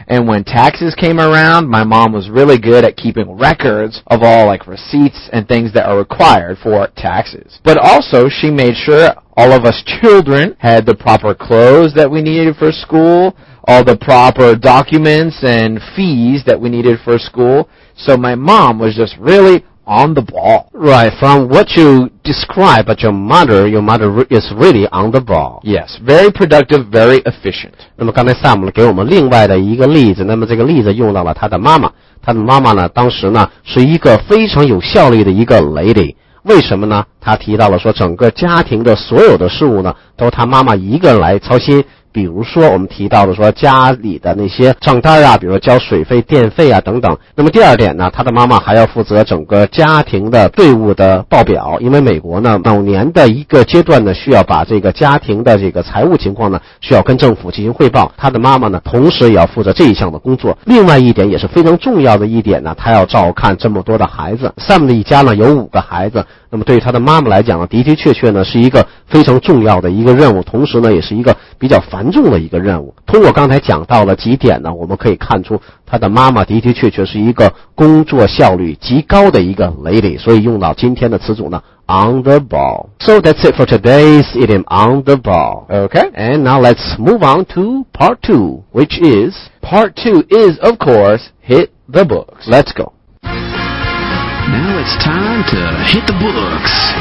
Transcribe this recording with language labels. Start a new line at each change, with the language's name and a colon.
English: and when taxes came around my mom was really good at keeping records of all like receipts and things that are required for taxes but also she made sureAll of us children had the proper clothes that we needed for school, all the proper documents and fees that we needed for school. So my mom was just really on the ball. Right, from what you describe about your mother is really on the ball. Yes, very productive, very efficient.
Chinese: 那么刚才 Sam 给我们另外的一个例子，那么这个例子用到了他的妈妈。他的妈妈呢，当时呢，是一个非常有效率的一个 lady。为什么呢他提到了说整个家庭的所有的事物呢都他妈妈一个人来操心比如说我们提到了说家里的那些账单啊比如说交水费电费啊等等那么第二点呢他的妈妈还要负责整个家庭的队伍的报表因为美国呢某年的一个阶段呢需要把这个家庭的这个财务情况呢需要跟政府进行汇报他的妈妈呢同时也要负责这一项的工作另外一点也是非常重要的一点呢他要照看这么多的孩子 Sam 的一家呢有五个孩子那么对于他的妈妈来讲呢的的确确呢是一个非常重要的一个任务同时呢也是一个比较繁重的一个任务通过刚才讲到了几点呢我们可以看出他的妈妈的的确确是一个工作效率极高的一个 lady 所以用到今天的词组呢 on the ball
English: So that's it for today's idiom on the ball Okay And now let's move on to part 2 which is Part 2 is of course hit the books Let's go Now it's time to hit the books.